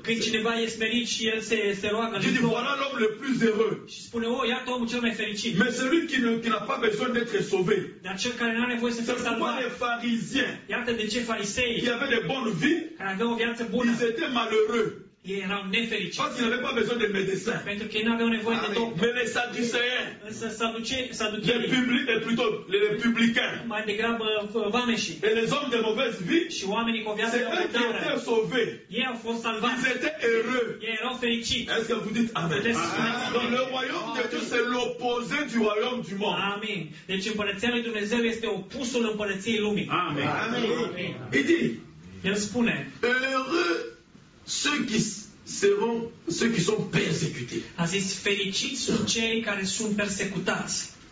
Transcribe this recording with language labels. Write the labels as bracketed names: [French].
[Romanian] Când cineva e smerit și el se roagă. [French] Tu dis, voilà l'homme le plus heureux. [Romanian] Și spune, oh, iată omul cel mai fericit. [French] Mais celui qui n'a pas besoin d'être sauvé. [Romanian] Dar cel care n-are nevoie să fie salvat. [French] Pourquoi les pharisiens. [Romanian] Iată de ce farisei. [French] Qui avaient de bonnes vies. [Romanian] Care aveau o viață bună. [French] Ils étaient malheureux. [Romanian] Ei erau nefericiți. [French] Parce qu'ils n'avaient pas besoin de médecin. [Romanian] Pentru că ei n-aveau nevoie de doctor. [French] Mais les saducéens. [Romanian] Însă saducheii. [French] Les publics, plutôt les républicains. [Romanian] Mai degrabă vameșii. [French] Et les hommes de mauvaise vie. [Romanian] Și oamenii cu o viață de rău. [French] C'est eux qui étaient sauvés. [Romanian] Ei au fost salvați. [French] Ils étaient heureux. [Romanian] Ei erau fericiți. [French] Est-ce que vous dites amen? Donc le royaume de Dieu, c'est l'opposé du royaume du monde. Amen. [Romanian] Deci împărăția lui Dumnezeu este opusul împărăției lumii. Amen. [French] Amen. Il dit. [Romanian] El spune. [French] Heureux. Ceux qui seront ceux qui sont persécutés. [Romanian] A zis, fericiți sunt cei care sunt persecutați.